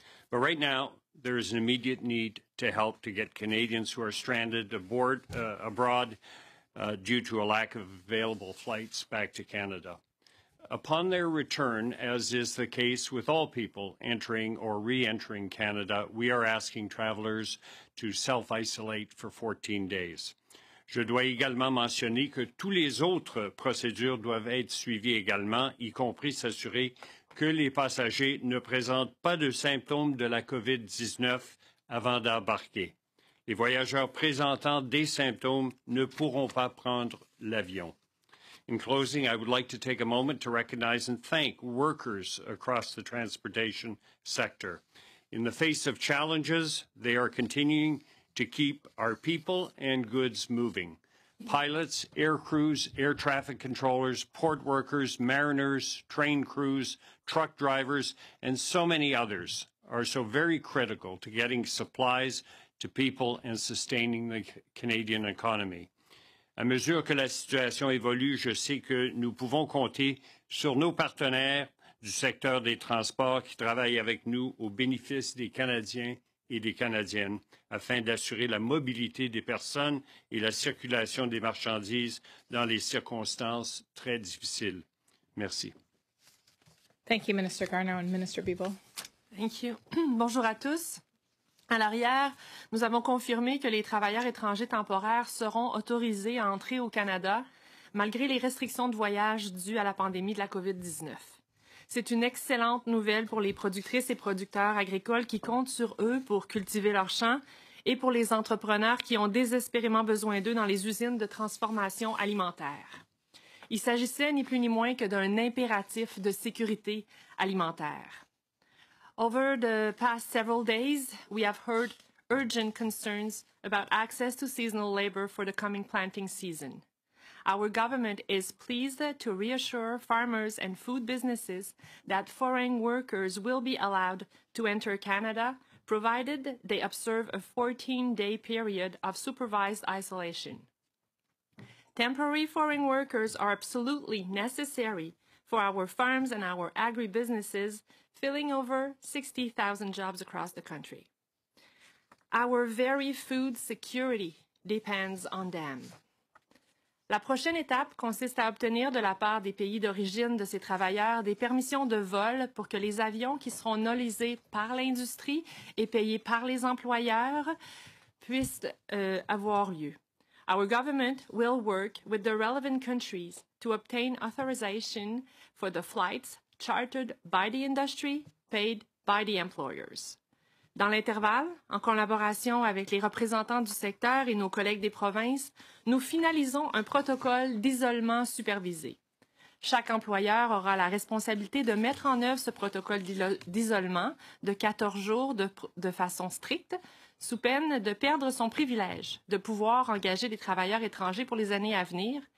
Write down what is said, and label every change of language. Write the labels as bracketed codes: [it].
[en] But right now, there is an immediate need to help to get Canadians who are stranded abroad due to a lack of available flights back to Canada. Upon their return, as is the case with all people entering or re-entering Canada, we are asking travelers to self-isolate for 14 days. [fr] Je dois également mentionner que toutes les autres procédures doivent être suivies également, y compris s'assurer que les passagers ne présentent pas de symptômes de la COVID-19 avant d'embarquer. Les voyageurs présentant des symptômes ne pourront pas prendre l'avion. [en] In closing, I would like to take a moment to recognize and thank workers across the transportation sector. In the face of challenges, they are continuing to keep our people and goods moving. Pilots, air crews, air traffic controllers, port workers, mariners, train crews, truck drivers, and so many others are so very critical to getting supplies to people and sustaining the Canadian economy. [fr] À mesure que la situation évolue, je sais que nous pouvons compter sur nos partenaires du secteur des transports qui travaillent avec nous au bénéfice des Canadiens et des Canadiennes afin d'assurer la mobilité des personnes et la circulation des marchandises dans les circonstances très difficiles. Merci. [en] Thank you, Minister Garneau and Minister Bibeau. Thank you. [fr] Bonjour à tous. À l'arrière, nous avons confirmé que les travailleurs étrangers temporaires seront autorisés à entrer au Canada malgré les restrictions de voyage dues à la pandémie de la COVID-19. C'est une excellente nouvelle pour les productrices et producteurs agricoles qui comptent sur eux pour cultiver leurs champs et pour les entrepreneurs qui ont désespérément besoin d'eux dans les usines de transformation alimentaire. Il s'agissait ni plus ni moins que d'un impératif de sécurité alimentaire. [en] Over the past several days, we have heard urgent concerns about access to seasonal labor for the coming planting season. Our government is pleased to reassure farmers and food businesses that foreign workers will be allowed to enter Canada, provided they observe a 14-day period of supervised isolation. Temporary foreign workers are absolutely necessary for our farms and our agribusinesses, filling over 60,000 jobs across the country. Our very food security depends on them. [fr] La prochaine étape consiste à obtenir de la part des pays d'origine de ces travailleurs des permissions de vol pour que les avions qui seront nolisés par l'industrie et payés par les employeurs puissent avoir lieu. [en] Our government will work with the relevant countries to obtain authorization for the flights chartered by the industry, paid by the employers. [fr] Dans l'intervalle, en collaboration avec les représentants du secteur et nos collègues des provinces, nous finalisons un protocole d'isolement supervisé. Chaque employeur aura la responsabilité de mettre en œuvre ce protocole d'isolement de 14 jours de façon stricte, sous peine de perdre son privilège de pouvoir engager des travailleurs étrangers pour les années à venir.